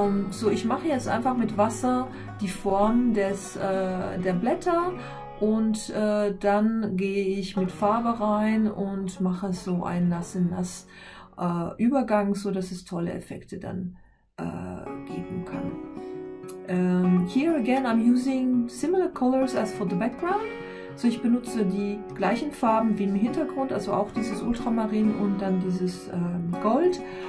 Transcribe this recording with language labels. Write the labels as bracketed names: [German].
[German] So ich mache jetzt einfach mit Wasser die Form des, der Blätter und dann gehe ich mit Farbe rein und mache so einen nass-in-nass Übergang, so dass es tolle Effekte dann geben kann. [English] Here again I'm using similar colors as for the background. [German] So ich benutze die gleichen Farben wie im Hintergrund, also auch dieses Ultramarin und dann dieses Gold.